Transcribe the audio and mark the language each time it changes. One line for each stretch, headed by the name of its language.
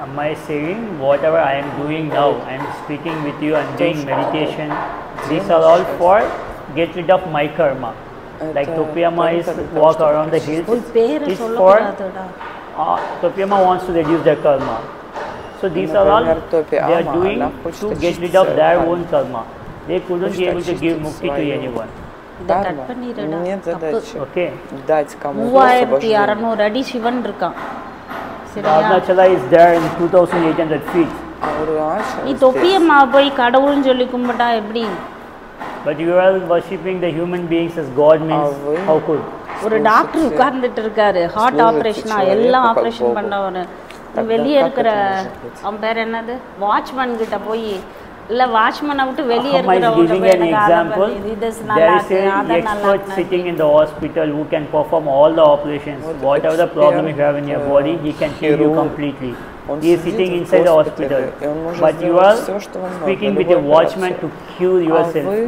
English: அம்மா is saying whatever I am doing now I am speaking with you and doing meditation these are all for get rid of my karma. Like Thoppi Amma is walk around the hills
Tamil: பேரை சொல்லக்கூடாதுடா.
English: Thoppi Amma wants to reduce their karma. So these are all they are doing to get rid of their own karma. They couldn't be able to give mukti to anyone. That's why there is Shivan. Ravnachala is there in 2800 feet. But you are worshipping the human beings as God means, how could?
Tamil: ஒரு doctor உட்கார்ந்துட்டு இருக்காரு, heart ஆப்ரேஷனா எல்லாம் operation பண்ணவர். வெளியே இருக்கிற அவன் பேர் என்னது, வாட்ச்மேன் கிட்ட போய் இல்லை வாட்ச்மேனை விட்டு வெளியே இருக்கிறவங்க
English: an example. There is an expert sitting in the hospital who can perform all the operations. Whatever the problem you have in your body, he can heal you completely. He is sitting inside the hospital. But you are speaking with a watchman to cure yourself.